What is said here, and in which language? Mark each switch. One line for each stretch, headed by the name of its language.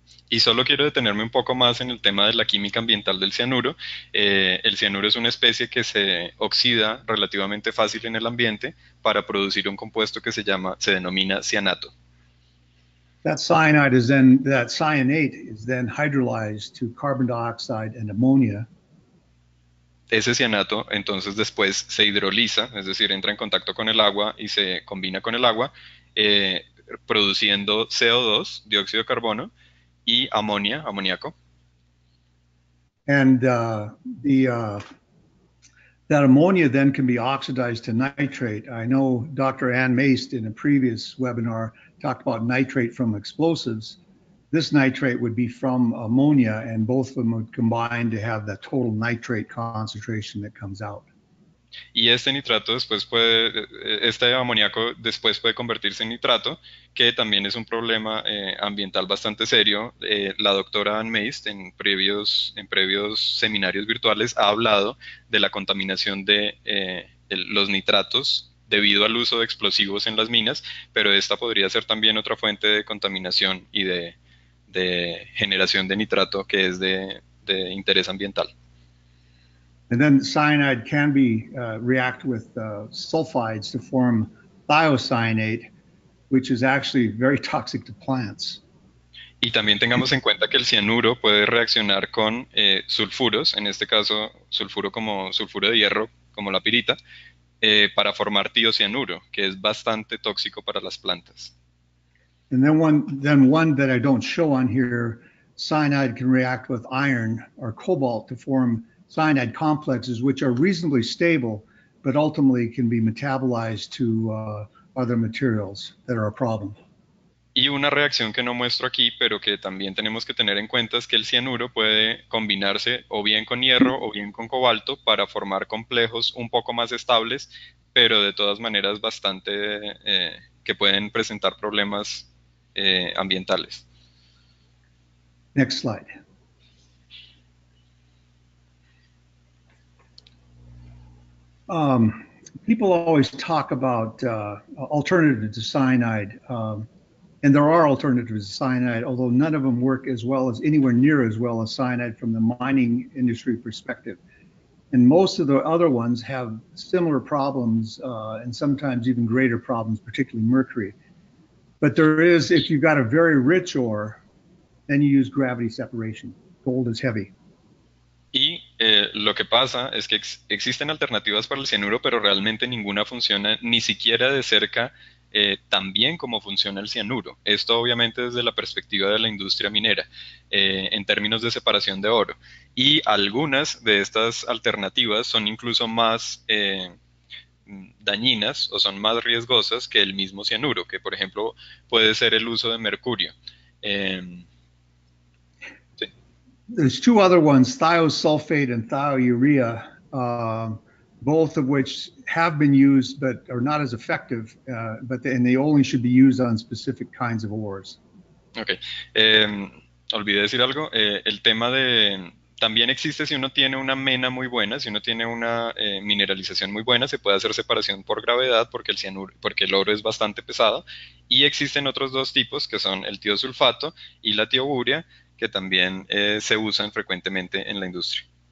Spanish: Y solo quiero detenerme un poco más en el tema de la química ambiental del cianuro. El cianuro es una especie que se oxida relativamente fácil en el ambiente para producir un compuesto que se denomina cianato.
English: That cyanate is then hydrolyzed to carbon dioxide and ammonia.
Spanish: Ese cianato entonces después se hidroliza, es decir, entra en contacto con el agua y se combina con el agua, produciendo CO2, dióxido de carbono, y amonía, amoníaco.
English: And that ammonia then can be oxidized to nitrate. I know Dr. Ann Maist in a previous webinar talked about nitrate from explosives. This nitrate would be from ammonia, and both of them would combine to have the total nitrate concentration that comes out.
Spanish: Y este nitrato después puede, este amoníaco después puede convertirse en nitrato, que también es un problema ambiental bastante serio. La doctora Ann Maist en previos seminarios virtuales ha hablado de la contaminación de los nitratos debido al uso de explosivos en las minas, pero esta podría ser también otra fuente de contaminación y de de generación de nitrato que es de interés ambiental.
English: And then cyanide can be react with sulfides to form thiocyanate, which is actually very toxic to plants.
Spanish: Y también tengamos en cuenta que el cianuro puede reaccionar con sulfuros, en este caso sulfuro como sulfuro de hierro, como la pirita, para formar tiocianuro, que es bastante tóxico para las plantas.
English: And then one that I don't show on here, cyanide can react with iron or cobalt to form cyanide complexes, which are reasonably stable, but ultimately can be metabolized to other materials that are a problem.
Spanish: Y una reacción que no muestro aquí, pero que también tenemos que tener en cuenta, es que el cianuro puede combinarse o bien con hierro o bien con cobalto para formar complejos un poco más estables, pero de todas maneras bastante que pueden presentar problemas ambientales.
English: Next slide. People always talk about alternative to cyanide. And there are alternatives to cyanide, although none of them work as well as anywhere near as well as cyanide from the mining industry perspective. And most of the other ones have similar problems and sometimes even greater problems, particularly mercury. But there is, if you've got a very rich ore, then you use gravity separation. Gold is heavy.
Spanish: Y lo que pasa es que existen alternativas para el cianuro, pero realmente ninguna funciona ni siquiera de cerca. También cómo funciona el cianuro. Esto obviamente desde la perspectiva de la industria minera, en términos de separación de oro. Y algunas de estas alternativas son incluso más dañinas o son más riesgosas que el mismo cianuro, que por ejemplo puede ser el uso de mercurio.
English: There's two other ones, thiosulfate and thiourea. Both of which have been used, but are not as effective, and they only should be used on specific kinds of ores.
Spanish: Okay. Olvidé decir algo. El tema de... También existe si uno tiene una mena muy buena, si uno tiene una mineralización muy buena, se puede hacer separación por gravedad porque el cianuro, porque el oro es bastante pesado. Y existen otros dos tipos, que son el tiosulfato y la tioburia, que también se usan frecuentemente en la industria.